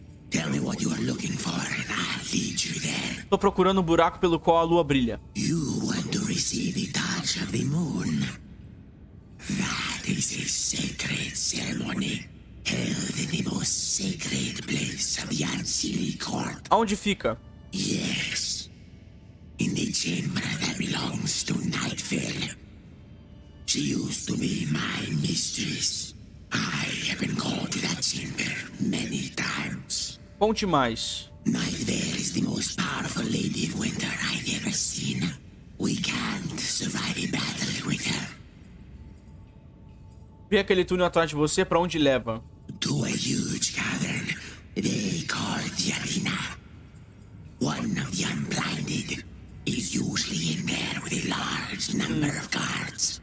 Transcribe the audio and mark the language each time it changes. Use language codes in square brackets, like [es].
[en] Tell me what you are looking for and I'll lead you there. [pt] Tô procurando um buraco pelo qual a lua brilha. [en] You want to receive the touch of the moon. This is sacred ceremony. Held in the most sacred place of the Ancili Court. [pt] Aonde fica? [en] Yes. In the chamber that belongs to Nightfall. She used to be my mistress. I have been called to that chamber many times. [pt] Conte mais. [en] Nightfall is the most powerful lady of winter I've ever seen. We can't survive a battle with her. [pt] Vê aquele túnel atrás de você, pra onde leva? [en] To a huge cavern. They call it the arena. One of the unblinded is usually in there with a large number of guards.